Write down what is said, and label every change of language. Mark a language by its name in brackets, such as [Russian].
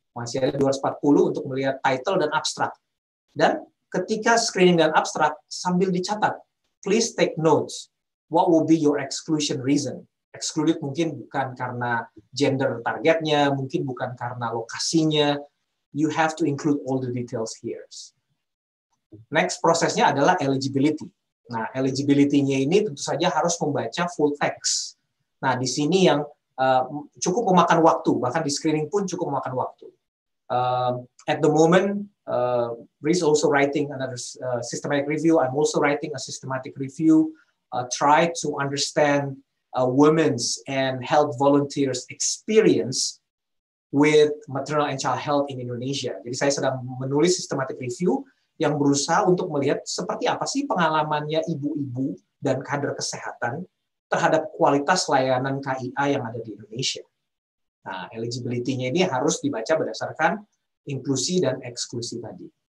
[Indonesian] Masih ada 240 untuk melihat title dan abstrak. Dan ketika screening dan abstrak, sambil dicatat, [English] please take notes. What will be your exclusion reason? [Indonesian] Excluded mungkin bukan karena gender targetnya, mungkin bukan karena lokasinya. [English] You have to include all the details here. [Indonesian] Next prosesnya adalah eligibility. Nah, eligibility-nya ini tentu saja harus membaca full text. Nah, di sini yang cukup memakan waktu, bahkan di screening pun cukup memakan waktu. [English] At the moment, Breeze also writing another systematic review. I'm also writing a systematic review. Try to understand women's and health volunteers' experience with maternal and child health in Indonesia. [Indonesian] Jadi saya sedang menulis systematic review yang berusaha untuk melihat seperti apa sih pengalamannya ibu-ibu dan kader kesehatan terhadap kualitas layanan KIA yang ada di Indonesia. Nah, eligibility-nya ini harus dibaca berdasarkan inklusi dan eksklusi tadi.